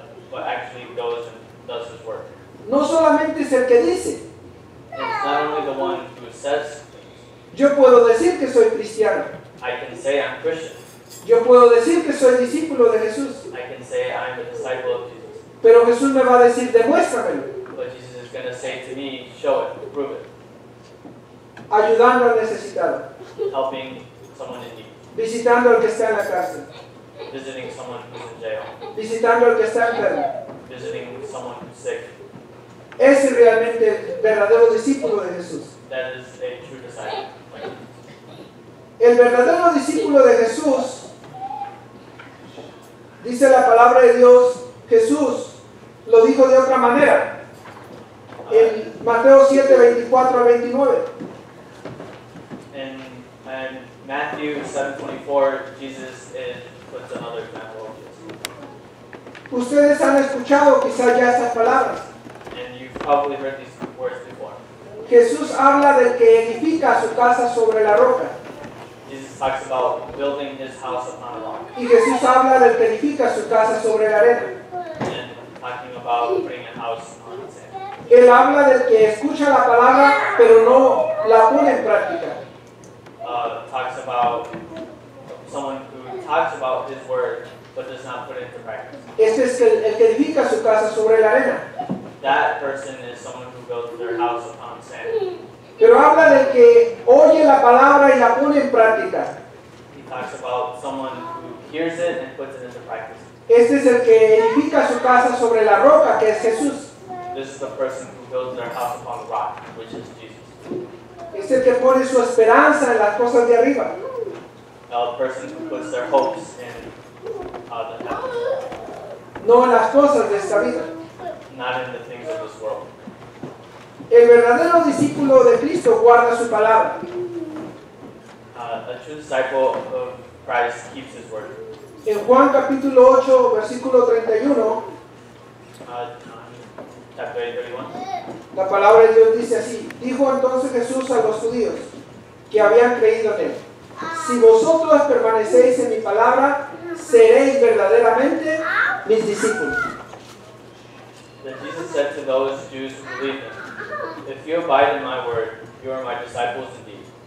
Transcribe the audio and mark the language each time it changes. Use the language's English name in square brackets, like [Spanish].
[English] but actually goes and does his work. [Spanish] No solamente es el que dice. [English] It's not only the one who says. [Spanish] Yo puedo decir que soy cristiano. [English] I can say I'm Christian. [Spanish] Yo puedo decir que soy discípulo de Jesús. [English] I can say I'm a disciple of Jesus. [Spanish] Pero Jesús me va a decir, demuéstramelo. [English] But Jesus is going to say to me, show it, prove it. [Spanish] Ayudando al necesitado. [English] Helping someone in need. [Spanish] Visitando al que está en la cárcel. [English] Visiting someone who's in jail. [Spanish] Visitando al que está enfermo. [English] Visiting someone who's sick. [Spanish] Es realmente el verdadero discípulo de Jesús. [English] That is a true disciple. [Spanish] El verdadero discípulo de Jesús, dice la palabra de Dios, Jesús lo dijo de otra manera. En Mateo 7, 24 al 29. [English] In Matthew 7, 24, Jesus puts another example of Jesus. [Spanish] Ustedes han escuchado quizás ya estas palabras. [English] And you've probably heard these words before. [Spanish] Jesús habla del que edifica su casa sobre la roca. [English] Jesus talks about building his house upon a rock. [Spanish] Y Jesús habla del que edifica su casa sobre la arena. [English] And talking about putting a house on sand. [Spanish] Él habla del que escucha la palabra, pero no la pone en práctica. [English] Talks about someone who talks about his word, but does not put it into practice. [Spanish] Este es el que edifica su casa sobre la arena. [English] That person is someone who builds their house upon sand. [Spanish] Pero habla del que oye la palabra y la pone en práctica. [English] He talks about someone who hears it and puts it into practice. [Spanish] Este es el que edifica su casa sobre la roca, que es Jesús. [English] This is the person who builds their house upon the rock, which is Jesus. [Spanish] Este es el que pone su esperanza en las cosas de arriba. [English] The person who puts their hopes in the house. [Spanish] No en las cosas de esta vida. [English] Not in the things of this world. [Spanish] El verdadero discípulo de Cristo guarda su palabra. [English] A true disciple of Christ keeps his word. [Spanish] En Juan capítulo 8, versículo 31. [English] Chapter 8, 31. [Spanish] La palabra de Dios dice así. Dijo entonces Jesús a los judíos que habían creído en él. Si vosotros permanecéis en mi palabra, seréis verdaderamente mis discípulos. [English] Then Jesus said to those Jews who believed in him. If you abide in my word, you are my disciples indeed.